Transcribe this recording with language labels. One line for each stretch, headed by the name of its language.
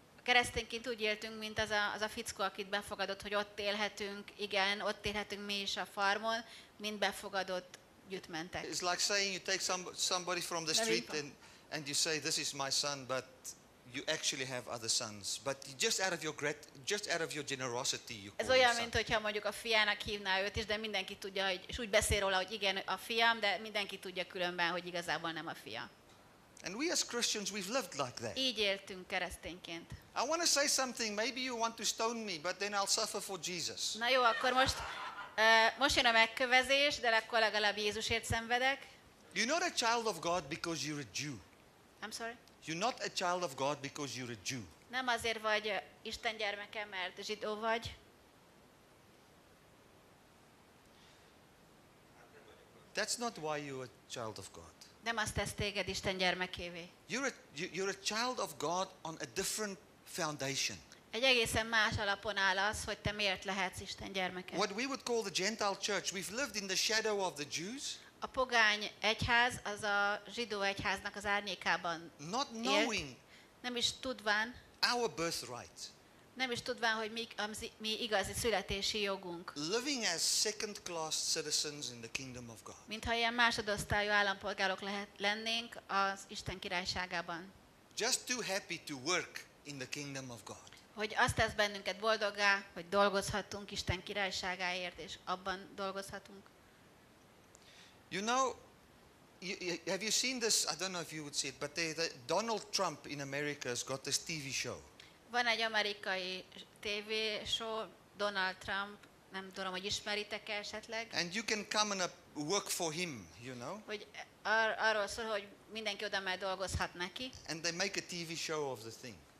Hungarian: Keresztényként úgy éltünk, mint az a fickó, akit befogadott, hogy ott élhetünk, igen, ott élhetünk mi is a farmon, mint befogadott gyűjtmentek.
English: It's like saying you take somebody from the street and you say this is my son, but you actually have other sons, but just out of your generosity you call.
Hungarian: Ez olyan, mint hogyha mondjuk a fiának hívná őt is, de mindenki tudja, hogy és úgy beszél róla, hogy igen, a fiam, de mindenki tudja különben, hogy igazából nem a fia.
English: And we as Christians, we've lived like that.
Hungarian: Így éltünk keresztényként.
English: I want to say something. Maybe you want to stone me, but then I'll suffer for Jesus.
Hungarian: Na jó, akkor most most jön a megkövezés, de akkor legalább Jézusért szenvedek.
English: You're not a child of God because you're a Jew. I'm sorry. You're not a child of God because you're a Jew.
Hungarian: Nem azért vagy Isten gyermeke, mert zsidó vagy.
English: That's not why you're a child of God.
Hungarian: Nem azt tesz téged Isten gyermekévé.
English: You're a child of God on a different foundation.
Hungarian: Egy egészen más alapon áll az, hogy te miért lehetsz Isten gyermeke.
English: What we would call the Gentile church, we've lived in the shadow of the Jews.
Hungarian: A pogány egyház, az a zsidó egyháznak az árnyékában
English: not knowing
Hungarian: élt, nem is tudván
English: our birthright.
Hungarian: Nem is tudván, hogy mi igazi születési jogunk.
English: Living as second-class citizens in the kingdom of God.
Hungarian: Mintha ilyen másodosztályú állampolgárok lennénk az Isten királyságában.
English: Just too happy to work in the kingdom of God.
Hungarian: Hogy azt tesz bennünket boldoggá, hogy dolgozhatunk Isten királyságáért, és abban dolgozhatunk.
English: You know, have you seen this? I don't know if you would see it, but Donald Trump in America has got this TV show.
Hungarian: Van egy amerikai tévéshow, Donald Trump, nem tudom, hogy ismeritek-e esetleg.
English: And you can come and work for him, you know.
Hungarian: Hogy arról szól, hogy mindenki oda már dolgozhat neki.
English: And they make a TV show of the thing.